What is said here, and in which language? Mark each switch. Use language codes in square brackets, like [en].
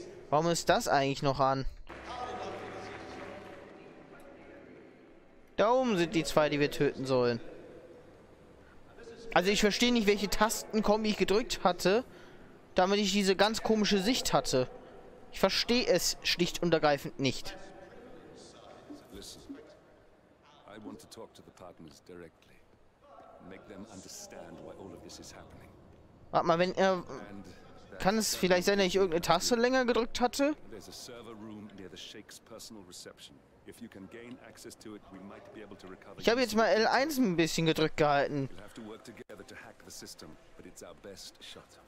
[de] Warum ist das eigentlich noch an? Da oben sind die zwei, die wir töten sollen. Also ich verstehe nicht, welche Tastenkombi ich gedrückt hatte, damit ich diese ganz komische Sicht hatte. Ich verstehe es schlicht und ergreifend nicht. [en] I want to talk to the partners directly. Make them understand why all of this is happening. [de] Warte mal, wenn er. Kann es vielleicht sein, dass ich irgendeine Taste länger gedrückt hatte? [en] There's a server room near the Sheikh's personal reception. If you can gain access to it, we might be able to recover. [de] Ich habe jetzt mal L1 ein bisschen gedrückt gehalten. [en] We'll have to work together to hack the system, but it's our best shot.